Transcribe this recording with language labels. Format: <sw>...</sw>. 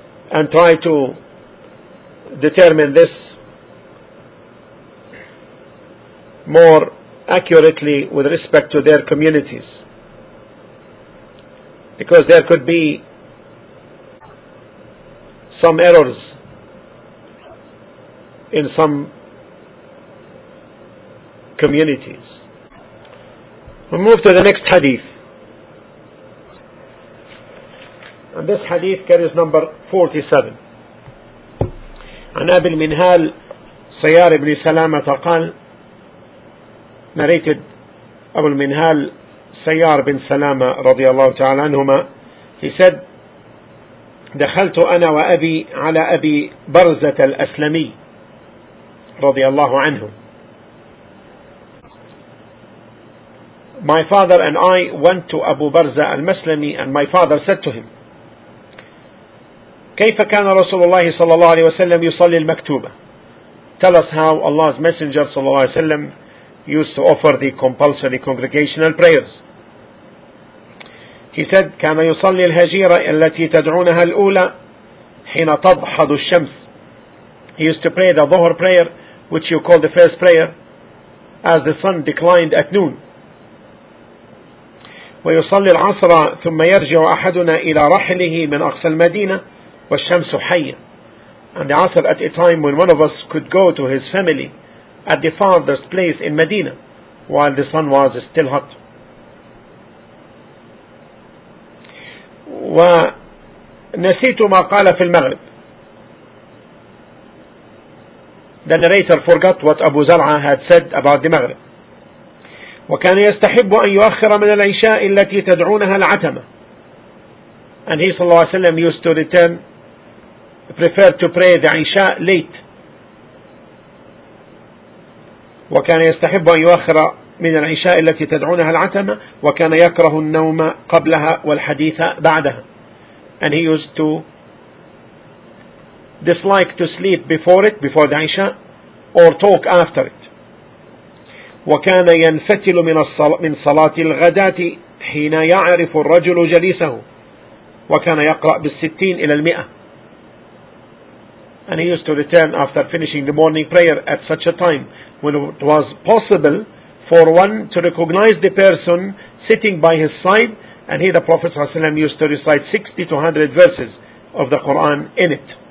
<en>and try to determine this more accurately with respect to their communities, because there could be some errors in some communities. We'll move to the next hadith, and this hadith carries number 47.</en> <ar>عن أبي المنهال صيار بن سلامة قال</ar> <en>narrated</en> <ar>أبو المنهال صيار بن سلامة رضي الله تعالى عنهما.</ar> <en>He said,</en> <ar>دخلت أنا وأبي على أبي برزة الأسلمي رضي الله عنه.</ar> <en>My father and I went to Abu Barza al-Maslami, and my father said to him,</en> <ar>كيف كان رسول الله صلى الله عليه وسلم يصلي المكتوبة?</ar> <en>Tell us how Allah's Messenger</en> <ar>صلى الله عليه وسلم</ar> <en>used to offer the compulsory congregational prayers. He said,</en> <ar>كان يصلي الهجيرة التي تدعونها الأولى حين تضحض الشمس.</ar> <en>He used to pray the Dhuhr prayer, which you call the first prayer, as the sun declined at noon.</en> <ar>ويصلي العصر ثم يرجع أحدنا إلى رحله من أقصى المدينة والشمس حية.</ar> <en>And the Asr at a time when one of us could go to his family at the farthest place in Medina while the sun was still hot.</en> <ar>ونسيت ما قال في المغرب.</ar> <en>The narrator forgot what Abu Zar'a had said about the Maghrib.</en> <ar>وكان يستحب أن يؤخر من العشاء التي تدعونها العتمة.</ar> <en>And he</en> <ar>صلى الله عليه وسلم</ar> <en>used to return, preferred to pray the Isha late.</en> <ar>وكان يستحب أن يؤخر من العشاء التي تدعونها العتمة وكان يكره النوم قبلها والحديث بعدها.</ar> <en>And he used to dislike to sleep before the Isha or talk after it.</en> <ar>وكان ينفتل من صلاة الغداة حين يعرف الرجل جليسه وكان يقرأ بالستين إلى المئة.</ar> <en>And he used to return after finishing the morning prayer at such a time when it was possible for one to recognize the person sitting by his side. And he, the Prophet ﷺ, used to recite 60 to 100 verses of the Quran in it.</en>